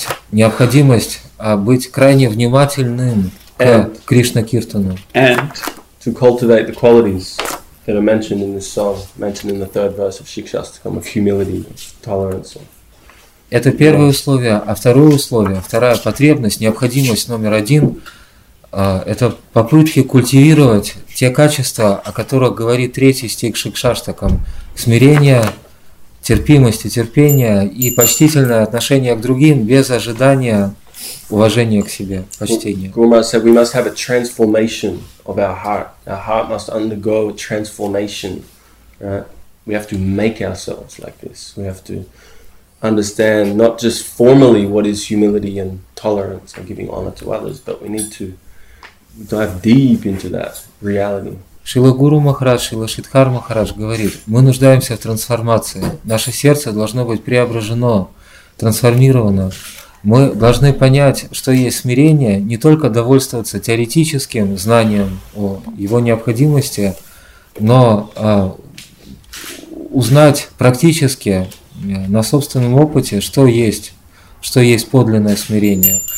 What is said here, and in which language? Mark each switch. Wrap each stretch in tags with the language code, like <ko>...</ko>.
<ru>Необходимость быть крайне внимательным к Кришна Киртану.</ru> <en>And to cultivate the qualities that are mentioned in this song, mentioned in the third verse of Shikshastakam, of humility, of tolerance. Of...</en> <ru>Это первое условие, а второе условие, вторая потребность, необходимость номер один – это попытки культивировать те качества, о которых говорит третий стих Шикшаштакам – смирение, терпимость и терпение и почтительное отношение к другим без ожидания уважения к себе, почтения.</ru> <en>Guru Maharaj said, we must have a transformation of our heart. Our heart must undergo a transformation, right? We have to make ourselves like this. We have to understand not just formally what is humility and tolerance and giving honor to others, but we need to dive deep into that reality.</en> <ru>Шрила Гуру Махарадж, Шрила Шридхар Махарадж говорит, мы нуждаемся в трансформации. Наше сердце должно быть преображено, трансформировано. Мы должны понять, что есть смирение, не только довольствоваться теоретическим знанием о его необходимости, но узнать практически на собственном опыте, что есть подлинное смирение.</ru>